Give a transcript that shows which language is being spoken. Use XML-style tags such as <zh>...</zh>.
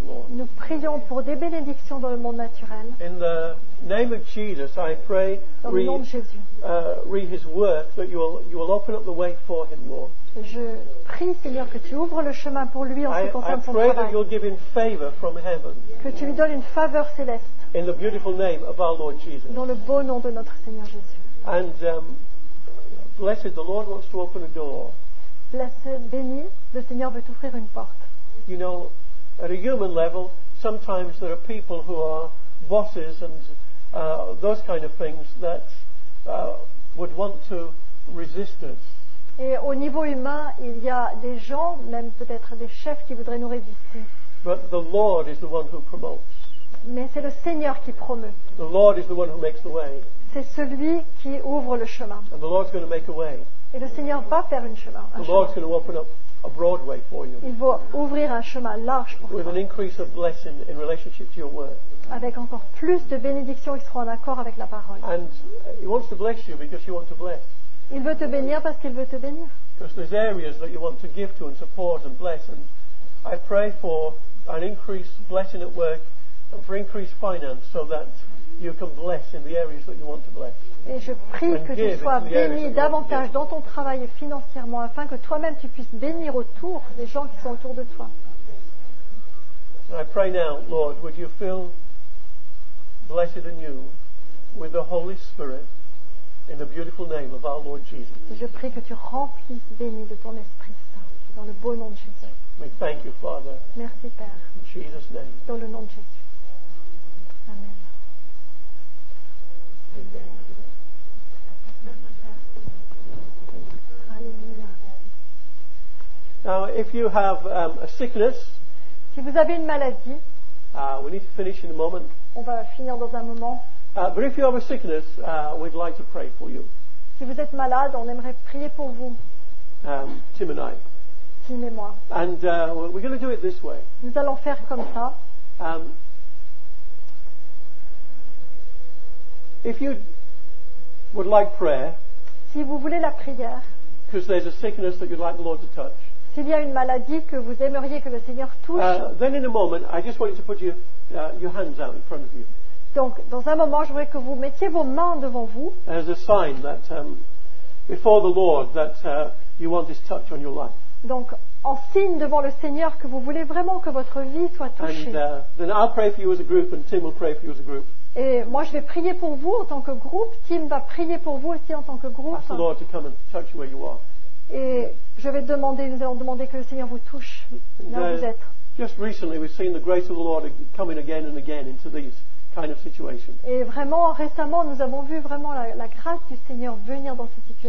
<fr>nous prions pour des bénédictions dans le monde naturel.</fr> <en>In the name of Jesus, I pray, read his work that you will open up the way for him, Lord.</en> <fr>Je prie, Seigneur, que tu ouvres le chemin pour lui en ce qui concerne son travail.</fr> <en>I pray that you'll give him favor from heaven.</en> <fr>Que tu lui donnes une faveur céleste.</fr> <en>In the beautiful name of our Lord Jesus.</en> <fr>Dans le beau nom de notre Seigneur Jésus.</fr> <en>And blessed, the Lord wants to open a door.</en> <fr>Blessed, béni, le Seigneur veut ouvrir une porte.</fr> <en>You know, at a human level, sometimes there are people who are bosses and those kind of things that would want to resist us.</en> <fr>Et au niveau humain, il y a des gens, même peut-être des chefs, qui voudraient nous résister.</fr> <en>But the Lord is the one who promotes.</en> <fr>Mais c'est le Seigneur qui promeut.</fr> <en>The Lord is the one who makes the way.</en> <fr>C'est celui qui ouvre le chemin.</fr> <en>And the Lord's going to make a way.</en> <fr>Et le Seigneur va faire un chemin.</fr> <en>The Lord's going to open up a broadway for you.</en> <fr>Il va ouvrir un chemin large pour</fr> <en>with</en> <fr>toi.</fr> <en>With an increase of blessing in relationship to your word.</en> <fr>Avec encore plus de bénédictions, il sera en accord avec la parole.</fr> <en>And he wants to bless you because you want to bless.</en> <fr>Il veut te bénir parce qu'il veut te bénir.</fr> <en>Because there's areas that you want to give to and support and bless, and I pray for an increased blessing at work and for increased finance so that you can bless in the areas that you want to bless.</en> <fr>Et je prie</fr> <en>and</en> <fr>que tu sois béni davantage dans ton travail et financièrement afin que toi-même tu puisses bénir autour les gens qui sont autour de toi.</fr> <en>And I pray now, Lord, would you fill blessed anew with the Holy Spirit in the beautiful name of our Lord Jesus.</en> <fr>Et je prie que tu remplisses béni de ton Esprit Saint dans le beau nom de Jésus.</fr> <en>We thank you, Father.</en> <fr>Merci, Père.</fr> <en>In Jesus' name.</en> <fr>Dans le nom de Jésus. Amen. Alléluia.</fr> <en>Now, if you have a sickness,</en> <fr>si vous avez une maladie,</fr> <en>we need to finish in a moment.</en> <fr>On va finir dans un moment.</fr> <en>But if you have a sickness, we'd like to pray for you.</en> <fr>Si vous êtes malade, on aimerait prier pour vous.</fr> <en>Tim and I.</en> <fr>Tim et moi.</fr> <en>And we're going to do it this way.</en> <fr>Nous allons faire comme ça.</fr> <en>If you would like prayer.</en> <fr>Si vous voulez la prière.</fr> <en>Because there's a sickness that you'd like the Lord to touch.</en> <fr>S'il y a une maladie que vous aimeriez que le Seigneur touche.</fr> <en>Then in a moment, I just want you to put your hands out in front of you.</en> <fr>Donc, dans un moment, je voudrais que vous mettiez vos mains devant vous.</fr> <en>As a sign that before the Lord that you want His touch on your life.</en> <fr>Donc, en signe devant le Seigneur que vous voulez vraiment que votre vie soit touchée.</fr> <en>And then I'll pray for you as a group, and Tim will pray for you as a group.</en> <fr>Et moi, je vais prier pour vous en tant que groupe. Tim va prier pour vous aussi en tant que groupe.</fr> <en>Ask the Lord to come and touch you where you are.</en> <fr>Et je vais demander, nous allons demander que le Seigneur vous touche là où vous êtes.</fr> <en>Just recently, we've seen the grace of the Lord coming again and again into these. Kind of situation.</en> <fr>Et vraiment, récemment, nous avons vu vraiment la grâce du Seigneur venir dans cette situation.</fr>